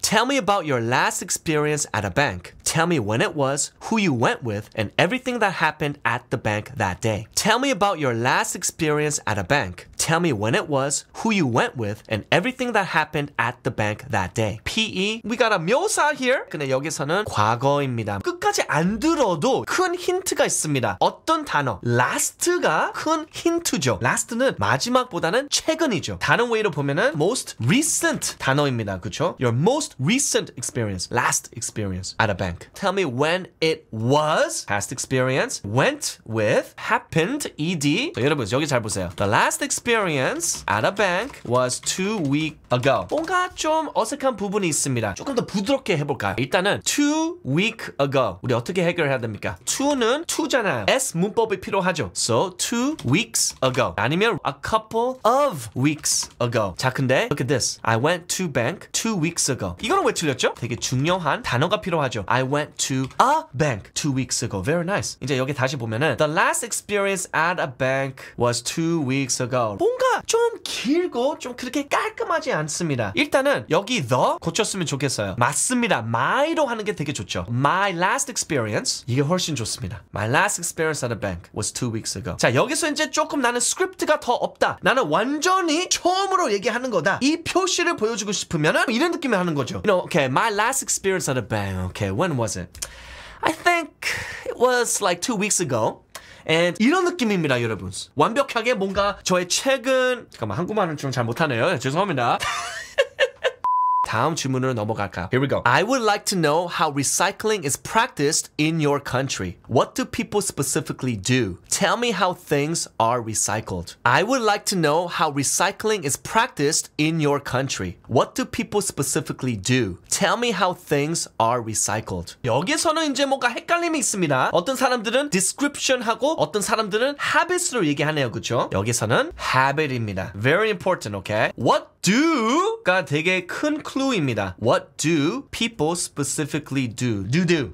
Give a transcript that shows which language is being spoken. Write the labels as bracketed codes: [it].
[en] Tell me about your last experience at a bank. Tell me when it was, who you went with, and everything that happened at the bank that day. Tell me about your last experience at a bank. Tell me when it was, who you went with, and everything that happened at the bank that day. PE, we got a 묘사 here. [ko] 근데 여기서는 과거입니다. 끝까지 안 들어도 큰 힌트가 있습니다. 어떤 단어? Last가 큰 힌트죠. Last는 마지막보다는 최근이죠. 다른 way로 보면은 [en] most recent [ko] 단어입니다. 그쵸? [en] Your most recent experience. Last experience at a bank. Tell me when it was, past experience, went with, happened, ED. [ko] 자, 여러분 여기 잘 보세요. [en] The last experience at a bank was 2 weeks ago. [ko] 뭔가 좀 어색한 부분이 있습니다. 조금 더 부드럽게 해볼까요? [en] 일단은 2 weeks ago. [ko] 우리 어떻게 해결해야 됩니까? 2는 2잖아요. S 문법이 필요하죠. [en] So 2 weeks ago. 아니면 a couple of weeks ago. 자, 근데 look at this. I went to bank 2 weeks ago. [ko] 이거는 왜 틀렸죠? 되게 중요한 단어가 필요하죠. [en] I went to a bank 2 weeks ago. Very nice. [ko] 이제 여기 다시 보면은 [en] The last experience at a bank was 2 weeks ago. [ko] 뭔가 좀 길고 좀 그렇게 깔끔하지 않습니다. 일단은 여기 the 고쳤으면 좋겠어요. 맞습니다. My로 하는 게 되게 좋죠. [en] My last experience [ko] 이게 훨씬 좋습니다. [en] My last experience at a bank was 2 weeks ago. [ko] 자, 여기서 이제 조금 나는 스크립트가 더 없다. 나는 완전히 처음으로 얘기하는 거다. 이 표시를 보여주고 싶으면은 이런 느낌을 하는 거죠. [en] You know, okay, my last experience at a bank, okay. When was it? I think it was like 2 weeks ago. [ko] And 이런 느낌입니다, 여러분. 완벽하게 뭔가 저의 최근... 잠깐만, 한국말은 좀 잘 못하네요. 죄송합니다. 다음 질문으로 넘어갈까요? [en] Here we go. I would like to know how recycling is practiced in your country. What do people specifically do? Tell me how things are recycled. I would like to know how recycling is practiced in your country. What do people specifically do? Tell me how things are recycled. [ko] 여기서는 이제 뭔가 헷갈림이 있습니다. 어떤 사람들은 description하고 어떤 사람들은 habit으로 얘기하네요, 그쵸? 여기서는 habit입니다. [en] Very important, okay? What do [ko] 가 되게 큰 clue입니다. [en] What do people specifically do? Do do.